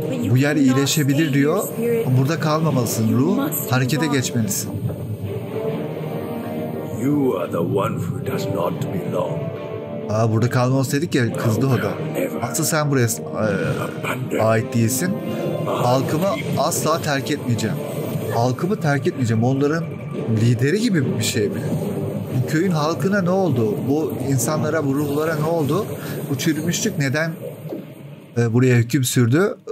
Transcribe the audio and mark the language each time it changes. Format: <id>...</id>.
<tr>Bu yer iyileşebilir diyor. Burada kalmamalısın ruh. Harekete geçmelisin.</tr> <en>You are the one who does not belong.</en> <tr>Aa, burada kalmamalısın dedik ya, kızdı o da. Asıl sen buraya ait değilsin. Halkımı asla terk etmeyeceğim. Halkımı terk etmeyeceğim. Onların lideri gibi bir şey mi? Bu köyün halkına ne oldu? Bu insanlara, bu ruhlara ne oldu? Bu çürümüşlük neden buraya hüküm sürdü?</tr>